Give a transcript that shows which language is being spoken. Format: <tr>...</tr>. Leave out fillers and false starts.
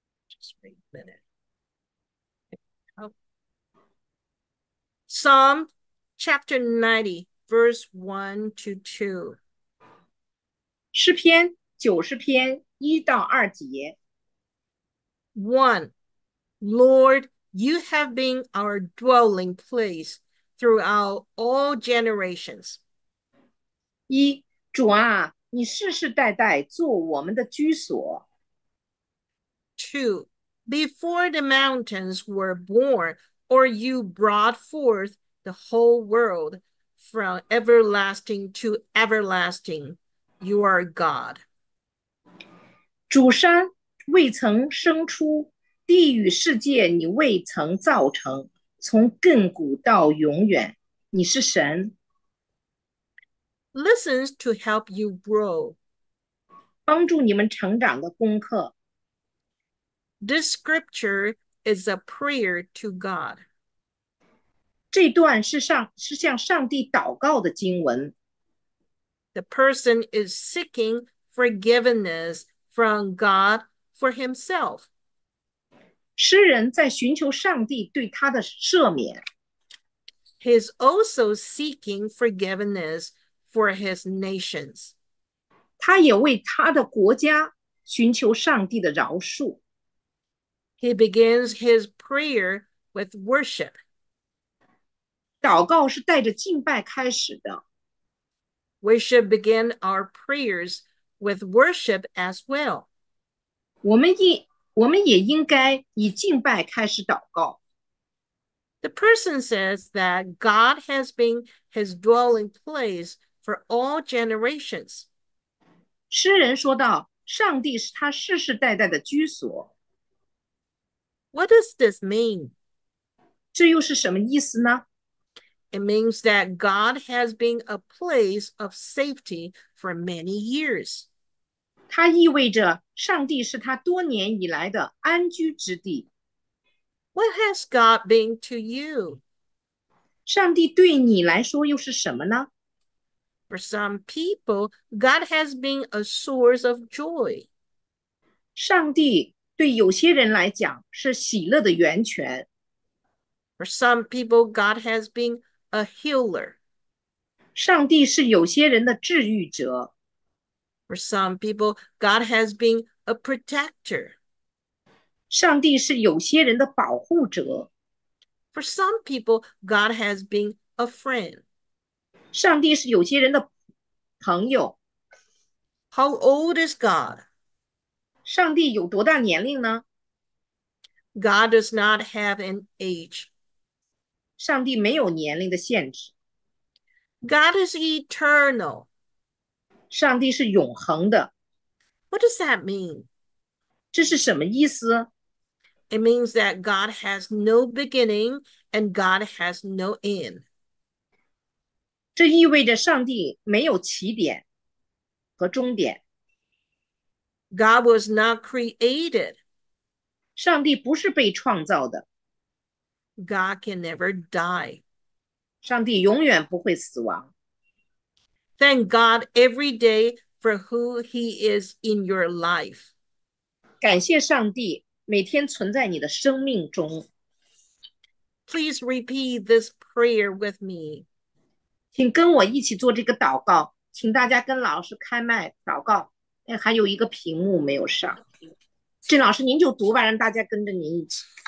<en>Just wait a minute. Psalm chapter 90, verse 1-2.</en> <zh>诗篇九十篇一到二节。</zh> <en>1. Lord, you have been our dwelling place throughout all generations. 1.</en> <zh>主啊，你世世代代做我们的居所。</zh> <en>2. Before the mountains were born, or you brought forth the whole world from everlasting to everlasting, you are God.</en> <zh>主山未曾生出，地与世界你未曾造成，从亘古到永远，你是神。</zh> <en>Lessons to help you grow.</en> <zh>帮助你们成长的功课。</zh> <en>This scripture is a prayer to God.</en> <zh>这段是向上帝祷告的经文。</zh> <en>The person is seeking forgiveness from God. For himself.</en> <zh>诗人在寻求上帝对他的赦免。</zh> <en>He is also seeking forgiveness for his nations.</en> <zh>他也为他的国家寻求上帝的饶恕。</zh> <en>He begins his prayer with worship.</en> <zh>祷告是带着敬拜开始的。</zh> <en>We should begin our prayers with worship as well.</en> <zh>我们也应该以敬拜开始祷告。</zh> <en>The person says that God has been his dwelling place for all generations.</en> <zh>诗人说道，上帝是他世世代代的居所。</zh> <en>What does this mean?</en> <zh>这又是什么意思呢？</zh> <en>It means that God has been a place of safety for many years.</en> <zh>它意味着上帝是他多年以来的安居之地。</zh> <en>What has God been to you?</en> <zh>上帝对你来说又是什么呢？</zh> <en>For some people, God has been a source of joy.</en> <zh>上帝对有些人来讲是喜乐的源泉。</zh> <en>For some people, God has been a healer.</en> <zh>上帝是有些人的治愈者。</zh> <en>For some people, God has been a protector.</en> <zh>上帝是有些人的保护者。</zh> <en>For some people, God has been a friend.</en> <zh>上帝是有些人的朋友。</zh> <en>How old is God?</en> <zh>上帝有多大年龄呢？</zh> <en>God does not have an age.</en> <zh>上帝没有年龄的限制。</zh> <en>God is eternal.</en> <zh>上帝是永恒的。</zh> <en>What does that mean?</en> <zh>这是什么意思？</zh> <en>It means that God has no beginning and God has no end.</en> <zh>这意味着上帝没有起点和终点。</zh> <en>God was not created.</en> <zh>上帝不是被创造的。</zh> <en>God can never die.</en> <zh>上帝永远不会死亡。</zh> <en>Thank God every day for who he is in your life.</en> <zh>感谢上帝每天存在你的生命中。</zh> <en>Please repeat this prayer with me.</en> <zh>请跟我一起做这个祷告，请大家跟老师开麦祷告。哎，还有一个屏幕没有上。郑老师您就读吧，让大家跟着您一起。</zh>